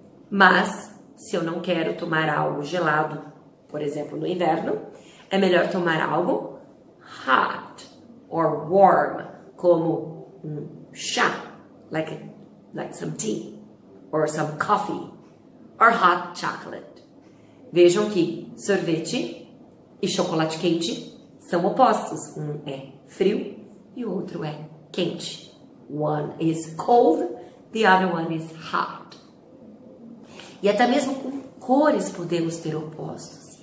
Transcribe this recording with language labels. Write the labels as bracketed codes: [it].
[pt] Mas, se eu não quero tomar algo gelado, por exemplo, no inverno, é melhor tomar algo [en] hot or warm, [pt] como um chá, [en] like some tea, or some coffee, or hot chocolate. [pt] Vejam que sorvete e chocolate quente são opostos. Um é frio e o outro é quente. [en] One is cold, the other one is hot. [pt] E até mesmo com cores podemos ter opostos.